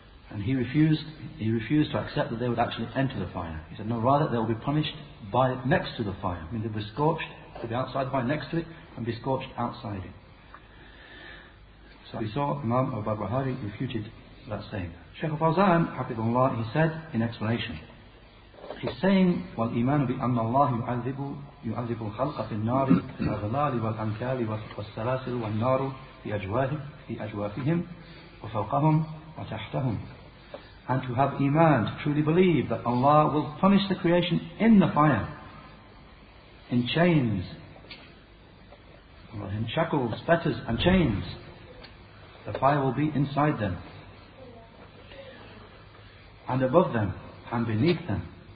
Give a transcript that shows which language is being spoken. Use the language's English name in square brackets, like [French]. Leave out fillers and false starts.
[English] And he refused to accept that they would actually enter the fire. He said, no, rather they will be punished by next to the fire. I mean, they'll be scorched, they'll be outside by next to it, and be scorched outside it. We saw Imam al-Barbahari refuted that saying. Shaykh al-Fawzan, hafidhullah, he said in explanation, he's saying, [Arabic] وَالْإِيمَانُ بِأَنَّ اللَّهُ يُعَذِّبُ الْخَلْقَ فِي النَّارِ فِي الْأَغْلَالِ وَالْأَمْكَالِ وَالسَّلَاسِلِ وَالنَّارُ فِي أَجْوَافِهِمْ وَفَوْقَهُمْ وَتَحْتَهُمْ. [English] And to have iman, to truly believe that Allah will punish the creation in the fire, in chains, in shackles, fetters and chains. The fire will be inside them, and above them, and beneath them.